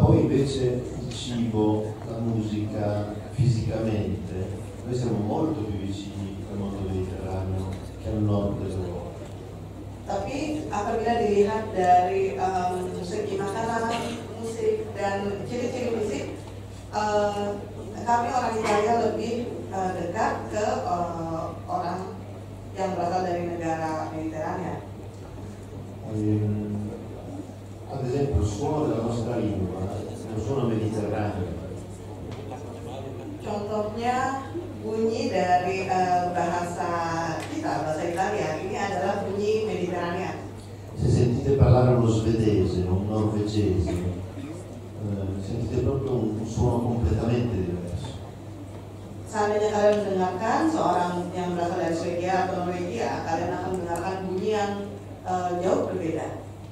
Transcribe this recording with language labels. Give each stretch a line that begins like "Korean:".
Italian: Ma poi invece il cibo, la musica, fisicamente, noi siamo molto più vicini al mondo mediterraneo che al nord dell'Europa.
Indonesian: Tapi apabila dilihat dari segi makanan, musik, dan ciri-ciri musik, kami orang Italia lebih dekat ke orang yang berasal dari negara Mediterania.
Italian: Ad esempio il suono della nostra lingua è un suono mediterraneo.
Indonesian: Contohnya bunyi dari bahasa kita, bahasa Italia, ini adalah bunyi mediterranea.
Italian: Se sentite parlare uno svedese, un norvegese, sentite proprio un suono completamente diverso.
Indonesian: Seandainya kalian mendengarkan seorang yang berasal dari Swedia atau Norwegia, kalian akan mendengarkan bunyi yang jauh berbeda.